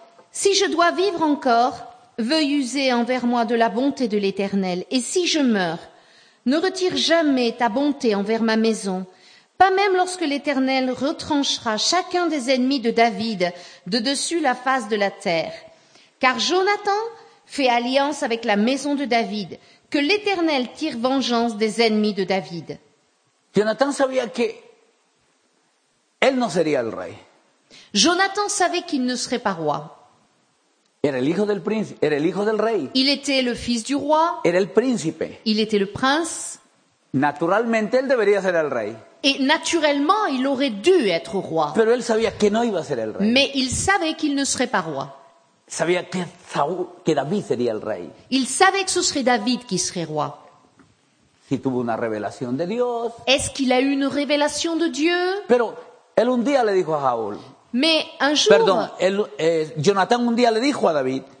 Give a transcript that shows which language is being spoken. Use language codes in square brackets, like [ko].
[fr] Si je dois vivre encore, veuille user envers moi de la bonté de l'Éternel, et si je meurs, ne retire jamais ta bonté envers ma maison, pas même lorsque l'Éternel retranchera chacun des ennemis de David de dessus la face de la terre. Car Jonathan fait alliance avec la maison de David, que l'Éternel tire vengeance des ennemis de David. Jonathan savait que [es] él no sería el rey. [fr] Jonathan savait qu'il ne serait pas roi. [es] Era el hijo del príncipe, era el hijo del rey. [fr] Il était le fils du roi. [es] Era el príncipe. [fr] Il était le prince. [es] Naturalmente él debería ser el rey. [fr] Et naturellement, il aurait dû être roi. [es] Pero él sabía que no iba a ser el rey. [fr] Mais il savait qu'il ne serait pas roi. [es] Sabía que Saúl, que David sería el rey. [fr] Il savait que ce serait David qui serait roi. [es] Si tuvo una revelación de Dios. [fr] Est-ce qu'il a eu une révélation de Dieu? [es] Pero él un día le dijo a Saúl. [fr] Mais un jour. [es] Perdón, él, Jonathan un día le dijo a David.